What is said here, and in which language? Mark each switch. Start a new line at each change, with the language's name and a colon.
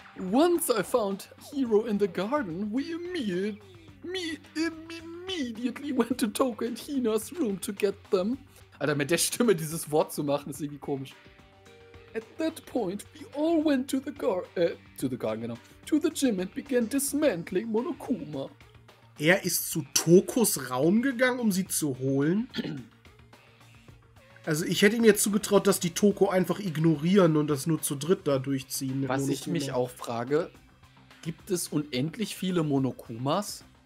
English: Once I found Hero in the garden, we immediately went to Toko and Hina's room to get them.
German: Alter, mit der Stimme dieses Wort zu machen, ist irgendwie komisch.
English: At that point, we all went to the garden, to the gym and began dismantling Monokuma.
German: Er ist zu Tokos Raum gegangen, um sie zu holen? Also ich hätte mir zugetraut, dass die Toko einfach ignorieren und das nur zu dritt da durchziehen. Was Monokuma. Ich mich auch frage, gibt es unendlich viele Monokumas?